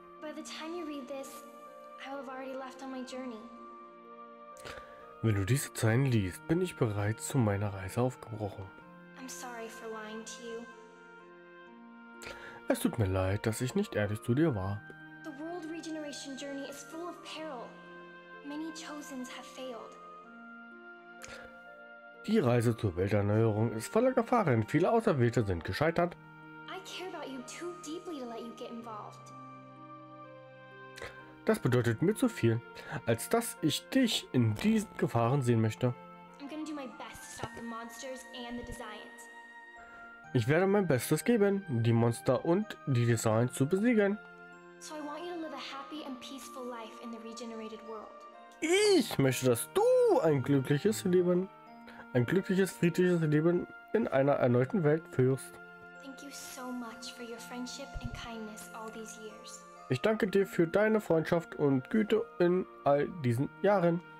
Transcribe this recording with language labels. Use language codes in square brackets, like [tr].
[en] By the time you read this, I have already left on my journey. [de] Wenn du diese Zeilen liest, bin ich bereits zu meiner Reise aufgebrochen. [en] I'm sorry for lying to you. [de] Es tut mir leid, dass ich nicht ehrlich zu dir war. [en] Restoration journey is full of peril. Many Chosens have failed. [de] Die Reise zur Welterneuerung ist voller Gefahren. Viele Auserwählte sind gescheitert. [en] I care about you too deeply to let you get involved. [de] Das bedeutet mir zu viel, als dass ich dich in diesen Gefahren sehen möchte. [en] I'm gonna do my best to stop the monsters and the designs. [de] Ich werde mein Bestes geben, die Monster und die Designs zu besiegen. [en] So I want you to live a happy and peaceful life in the regenerated world. [de] Ich möchte, dass du ein glückliches Leben, ein glückliches, friedliches Leben in einer erneuten Welt führst. [en] Thank you so much for your friendship and kindness all these years. [de] Ich danke dir für deine Freundschaft und Güte in all diesen Jahren.